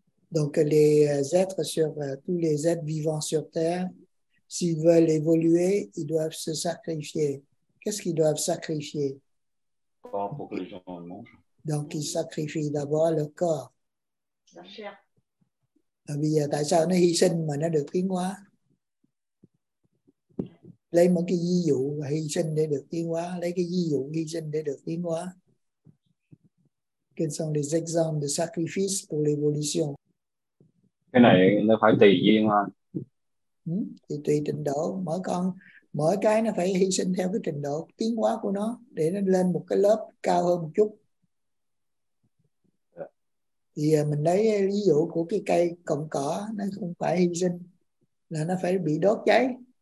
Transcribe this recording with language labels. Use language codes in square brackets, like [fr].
[fr] Donc les êtres sur tous les êtres vivants sur terre, s'ils veulent évoluer, ils doivent se sacrifier. Qu'est-ce qu'ils doivent sacrifier? Corps pour que les gens mangent. Donc ils sacrifient d'abord le corps. La chair. [vi] Mais bây giờ tại sao nó hy sinh mà nó được tiến hóa? Lấy một cái ví dụ hy sinh để được tiến hóa, lấy cái ví dụ hy sinh để được tiến hóa. [fr] Quels sont les exemples de sacrifice pour l'évolution? [vi] Cái này nó phải tùy duyên thôi. Thì tùy trình độ mỗi con. Mỗi cái nó phải hy sinh theo cái trình độ tiến hóa của nó để nó lên một cái lớp cao hơn một chút. Thì mình lấy ví dụ của cái cây cọng cỏ, nó không phải hy sinh là nó phải bị đốt cháy.